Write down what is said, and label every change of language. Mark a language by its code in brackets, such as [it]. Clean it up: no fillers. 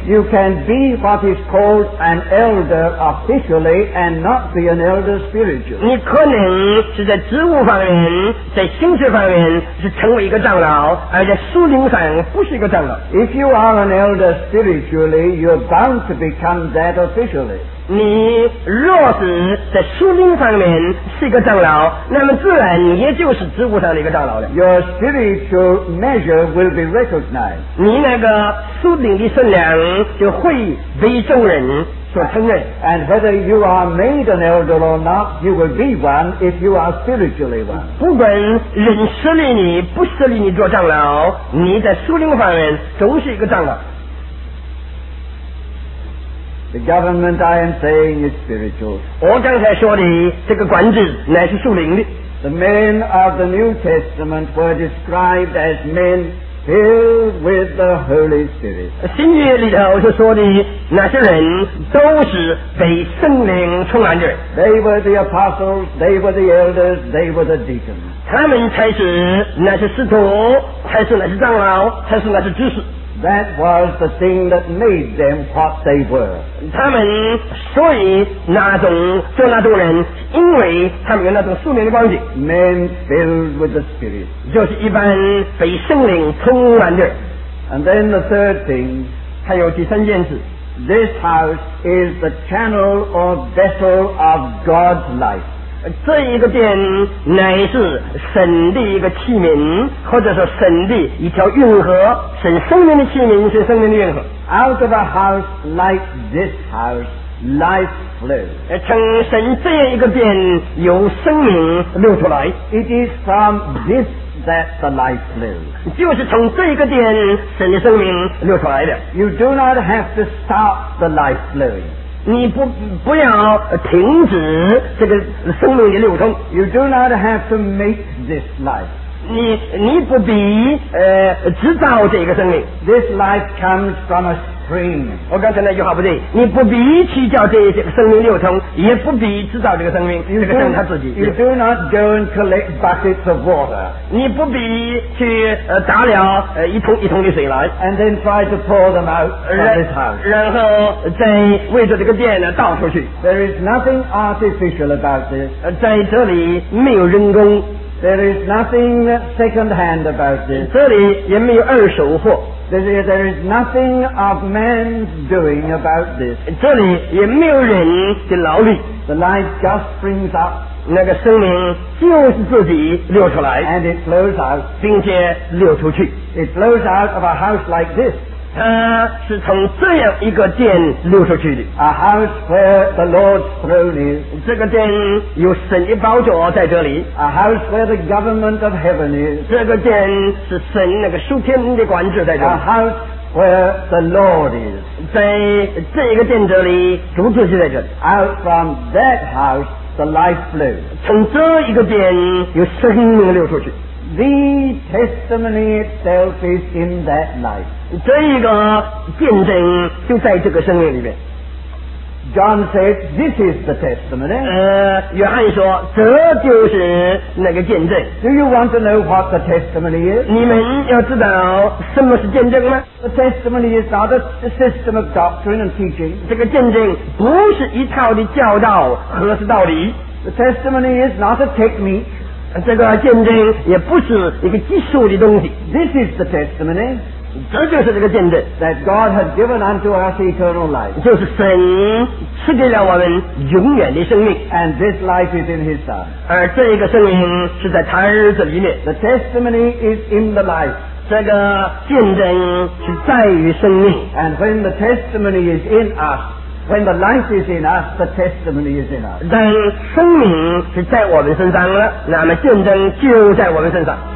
[en] You can be what is called an elder officially and not be an elder spiritual. [zh] 你可能是在职务方面，在行事方面是成为一个长老，而在属灵上不是一个长老。 [en] If you are an elder spiritually, you're bound to become that officially. [zh] 你若是在属灵方面是一个长老，那么自然你也就是职务上的一个长老了。 [en] Your spiritual measure will be recognized. [zh] 你那个属灵的分量就会被众人所承认。 [en] And whether you are made an elder or not, you will be one if you are spiritually one. [zh] 不管人设立你不设立你做长老，你在属灵方面都是一个长老。 [en] The government I am saying is spiritual. [zh] 我刚才说的这个管制乃是属灵的。 [en] The men of the New Testament were described as men filled with the Holy Spirit. [zh] 新约里头就说的那些人都是被圣灵充满的。 [en] They were the apostles, they were the elders, they were the deacons. [zh] 他们才是那些使徒，才是那些长老，才是那些执事。 [en] That was the thing that made them what they were. [zh] 他们所以那种做那种人，因为他们有那种属灵的光景。 [en] Men filled with the Spirit. [zh] 就是一般被圣灵充满的。 [en] And then the third thing. [zh] 还有第三件事。 [en] This house is the channel or vessel of God's life. [zh] 这一个殿乃是神的一个器皿，或者说神的一条运河，神圣灵的器皿，神圣灵的运河。 [en] Out of a house like this house, life flows. [zh] 从神这样一个殿由生命流出来。 [en] It is from this that the life flows. [zh] 就是从这一个殿神的生命流出来的。 [en] You do not have to stop the life flowing. [zh] 你不要停止这个生命的流通。 [en] You do not have to make this life. [zh] 你不必制造这个生命。 [en] This life comes from a stream. [zh] 我刚才那句话不对，你不必去叫这些生命流通，也不必知道这个生命，这个生命他自己。 [en] You do not go and collect buckets of water. [zh] 你不必去打了一桶一桶的水来。 [en] And then try to pour them out from this house. [zh] 然后再为着这个店呢倒出去。 [en] There is nothing artificial about this. [zh] 在这里没有人工。 [en] There is nothing second-hand about this. [zh] 这里也没有二手货。 [en] There is nothing of man's doing about this. [zh] 这里也没有人的劳力。 [en] The life just springs up. [zh] 那个生命就是自己流出来。 [en] And it flows out. [zh] 并且流出去。 [en] It flows out of a house like this. [zh] 它是从这样一个殿流出去的。 [en] A house where the Lord's throne is. [zh] 这个殿有神的宝座在这里。 [en] A house where the government of heaven is. [zh] 这个殿是神那个属天的管制在这里。 [en] A house where the Lord is. [zh] 在这个殿这里，主就是在这里。 [en] Out from that house, the life flows. [zh] 从这一个殿有生命流出去。 [en] The testimony itself is in that life. [zh] 这一个见证就在这个生命里面。 [en] John said, "This is the testimony." [zh] 约翰说，这就是那个见证。 [en] Do you want to know what the testimony is? [zh] 你们要知道什么是见证吗？ [en] The testimony is not a system of doctrine and teaching. [zh] 这个见证不是一套的教导和是道理。 [en] The testimony is not a technique. [zh] 这个见证也不是一个技术的东西。 [en] This is the testimony. [zh] 这就是这个见证。 [en] That God has given unto us eternal life. [zh] 就是神赐给了我们永远的生命。 [en] And this life is in His Son. [zh] 而这个生命是在他儿子里面。 [en] The testimony is in the life. [zh] 这个见证是在于生命。 [en] And when the testimony is in us. When the life is in us, the testimony is in us. [zh] 当生命是在我们身上了，那么见证就在我们身上。